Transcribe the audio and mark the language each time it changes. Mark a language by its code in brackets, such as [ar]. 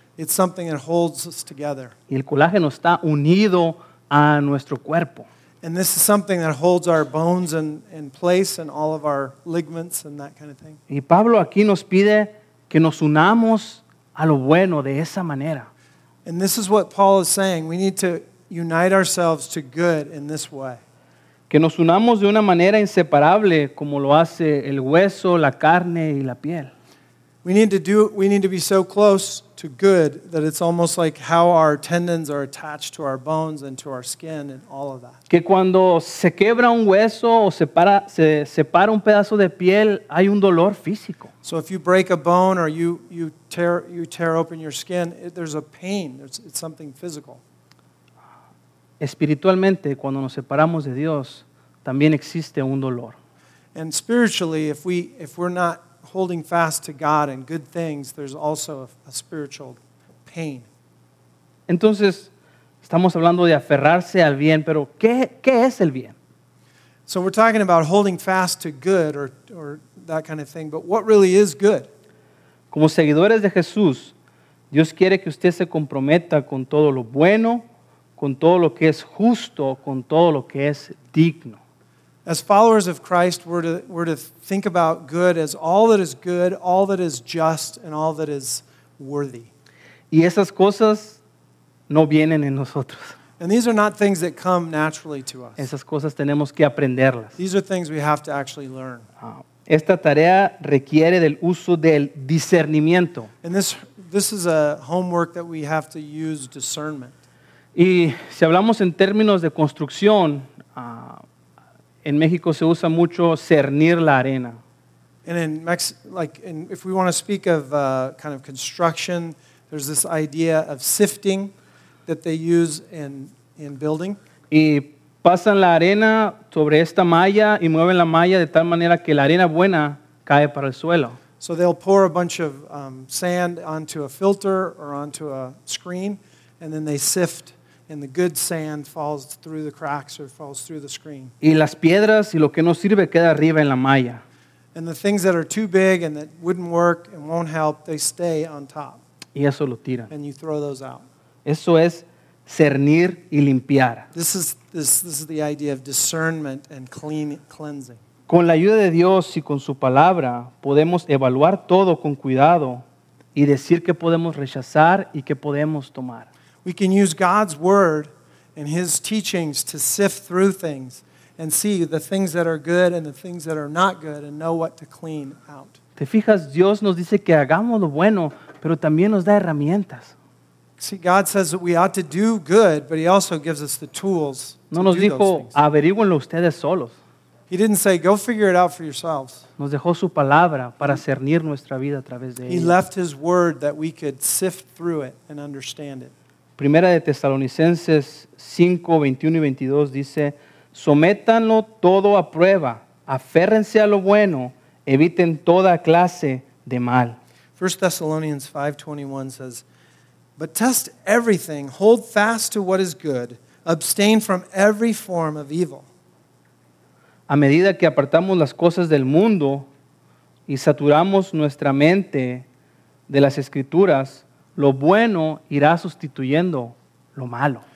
[en] It's something that holds us together. [es] Y el colágeno está unido a nuestro cuerpo. [en] And this is something that holds our bones in place and all of our ligaments and that kind of thing. [es] Y Pablo aquí nos pide que nos unamos a lo bueno de esa manera. [en] And this is what Paul is saying. We need to unite ourselves to good in this way. [es] Que nos unamos de una manera inseparable como lo hace el hueso, la carne y la piel. [en] We need to be so close to good that it's almost like how our tendons are attached to our bones and to our skin and all of that. [es] Que cuando se quebra un hueso o se separa un pedazo de piel, hay un dolor físico. [en] So if you break a bone or you tear open your skin, there's a pain. It's something physical. [es] Espiritualmente, cuando nos separamos de Dios, también existe un dolor. [en] And spiritually, if we're not holding fast to God and good things, there's also a spiritual pain. [es] Entonces, estamos hablando de aferrarse al bien, pero ¿qué es el bien? [en] So we're talking about holding fast to good or that kind of thing, but what really is good? [es] Como seguidores de Jesús, Dios quiere que usted se comprometa con todo lo bueno, con todo lo que es justo, con todo lo que es digno. [en] As followers of Christ, we're to think about good as all that is good, all that is just, and all that is worthy. [es] Y esas cosas no vienen en nosotros. [en] And these are not things that come naturally to us. [es] Esas cosas tenemos que aprenderlas. [en] These are things we have to actually learn. [es] Esta tarea requiere del uso del discernimiento. [en] And this is a homework that we have to use discernment. [es] Y si hablamos en términos de construcción, en México se usa mucho cernir la arena. [en] And in if we want to speak of kind of construction, there's this idea of sifting that they use in building. [es] Y pasan la arena sobre esta malla y mueven la malla de tal manera que la arena buena cae para el suelo. [en] So they'll pour a bunch of sand onto a filter or onto a screen, and then they sift, and the good sand falls through the cracks or falls through the screen. [es] Y las piedras y lo que no sirve queda arriba en la malla. [en] And the things that are too big and that wouldn't work and won't help, they stay on top. [es] Y eso lo tiran. [en] And you throw those out. [es] Eso es cernir y limpiar. [en] This is the idea of discernment and cleansing. [es] Con la ayuda de Dios y con su palabra, podemos evaluar todo con cuidado y decir qué podemos rechazar y qué podemos tomar. [en] We can use God's word and his teachings to sift through things and see the things that are good and the things that are not good and know what to clean out. [es] ¿Te fijas? Dios nos dice que hagamos lo bueno, pero también nos da herramientas. [en] See, God says that we ought to do good, but he also gives us the tools to do those things. [es] Averíguenlo ustedes solos. [en] He didn't say, go figure it out for yourselves. [es] Nos dejó su palabra para cernir nuestra vida a través de ella. [en] He left his word that we could sift through it and understand it. [es] Primera de Tesalonicenses 5, 21 y 22 dice, sométanlo todo a prueba, aférrense a lo bueno, eviten toda clase de mal. [en] 1 Thessalonians 5:21 says, but test everything, hold fast to what is good, abstain from every form of evil. [es] A medida que apartamos las cosas del mundo y saturamos nuestra mente de las escrituras, lo bueno irá sustituyendo lo malo.